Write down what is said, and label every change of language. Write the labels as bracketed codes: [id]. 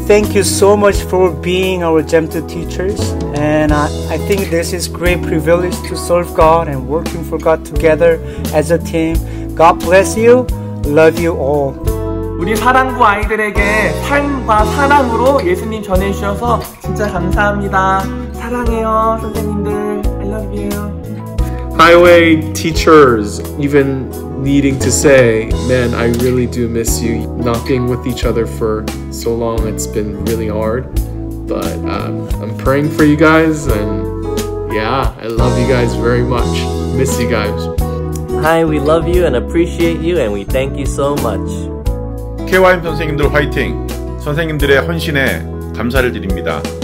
[en] Thank you so much for being our GEM2 teachers. And I think this is great privilege to serve God and working for God together as a team. God bless you. Love you all. [ko] 우리 사랑부 아이들에게 삶과 사랑으로 예수님 전해주셔서 진짜 감사합니다. 사랑해요, 선생님들. [en] I love you. Highway teachers, even needing to say, man, I really do miss you. Not being with each other for so long, it's been really hard. But I'm praying for you guys, and yeah, I love you guys very much. Miss you guys. Hi, we love you and appreciate you, and we thank you so much. [ko] KYM 선생님들 화이팅! 선생님들의 헌신에 감사를 드립니다.